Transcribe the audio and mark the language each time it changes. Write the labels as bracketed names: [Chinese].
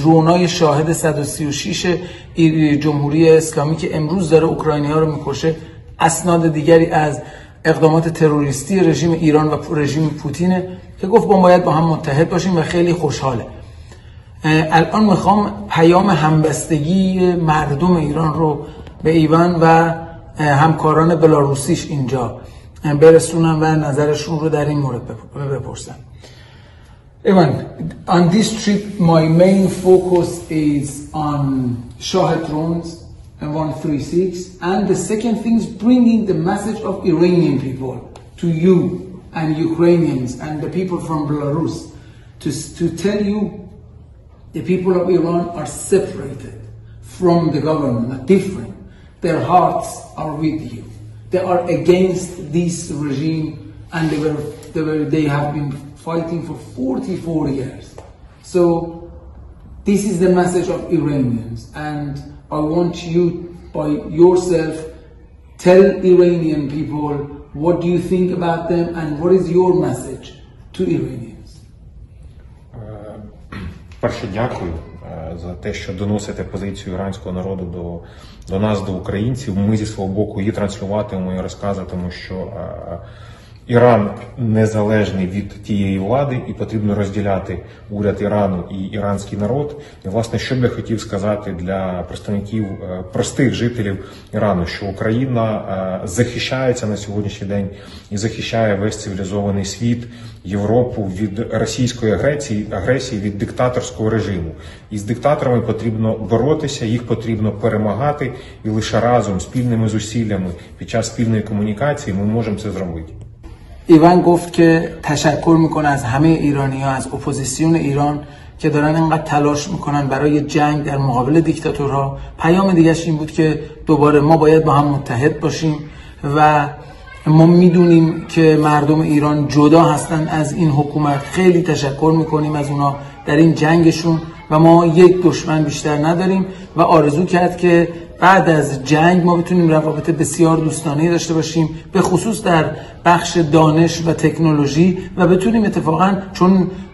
[Persian] درونای شاهد 136 جمهوری اسلامی که امروز داره اوکراینی ها رو میکشه، اسناد دیگری از اقدامات تروریستی رژیم ایران و رژیم پوتینه که گفت باید با هم متحد باشیم و خیلی خوشحاله. الان میخوام پیام همبستگی مردم ایران رو به ایوان و همکاران بلاروسیش اینجا برسونم و نظرشون رو در این مورد بپرسم. [English] Ivan, on this trip my main focus is on Shahed drones and 136 and the second thing is bringing the message of Iranian people to you and Ukrainians and the people from Belarus to tell you the people of Iran are separated from the government, are different. Their hearts are with you. They are against this regime and they have been fighting for 44 years. So this is the message of Iranians and I want you by yourself tell Iranian people what do you think about them and what is your message to Iranians? [Ukrainian] Перше, дякую за те, що доносите позицію іранського народу до нас, до українців. Ми зі свого боку її транслюватимемо і розказуватимемо, що Іран незалежний від тієї влади і потрібно розділяти уряд Ірану і іранський народ. І, власне, що б я хотів сказати для представників простих жителів Ірану, що Україна захищається на сьогоднішній день і захищає весь цивілізований світ, Європу від російської агресії, від диктаторського режиму. І з диктаторами потрібно боротися, їх потрібно перемагати і лише разом, спільними зусиллями, під час спільної комунікації ми можемо це зробити. [Persian] ایوان گفت که تشکر میکنه از همه ایرانی ها، از اپوزیسیون ایران که دارن اینقدر تلاش میکنن برای جنگ در مقابل دیکتاتورها. پیام دیگه‌اش این بود که دوباره ما باید با هم متحد باشیم و ما میدونیم که مردم ایران جدا هستن از این حکومت، خیلی تشکر میکنیم از اونا در این جنگشون و ما یک دشمن بیشتر نداریم و آرزو کرد که بعد از جنگ ما بتونیم روابط بسیار دوستانه داشته باشیم، به خصوص در بخش دانش و تکنولوژی، و بتونیم اتفاقا چون